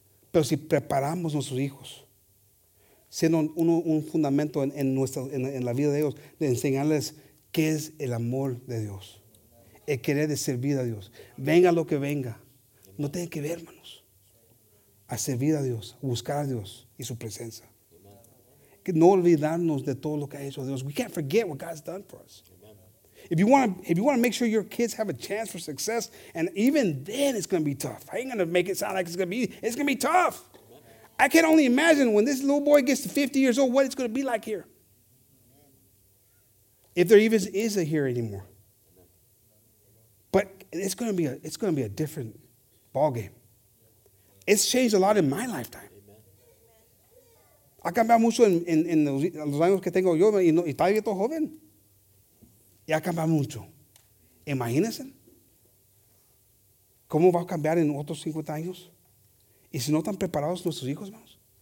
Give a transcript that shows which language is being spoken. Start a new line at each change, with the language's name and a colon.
Spanish: Pero si preparamos a nuestros hijos, siendo un fundamento en la vida de ellos, de enseñarles qué es el amor de Dios, el querer de servir a Dios. Venga lo que venga. No tiene que ver, hermanos. A servir a Dios, buscar a Dios y su presencia. No olvidarnos de todo lo que ha hecho Dios.
English: We can't forget what God's done for us. Amen. If you want to make sure your kids have a chance for success, and even then it's going to be tough. I ain't going to make it sound like it's going to be easy. It's going to be tough. Amen. I can only imagine when this little boy gets to 50 years old, what it's going to be like here. Amen. If there even is a here anymore. Amen. But it's going to be a different ball game. It's changed a lot in my lifetime.
Spanish: Ha cambiado mucho en los años que tengo yo y está bien todo joven. Y ha cambiado mucho. Imagínense. ¿Cómo va a cambiar en otros 50 años? Y si no están preparados nuestros hijos, hermanos.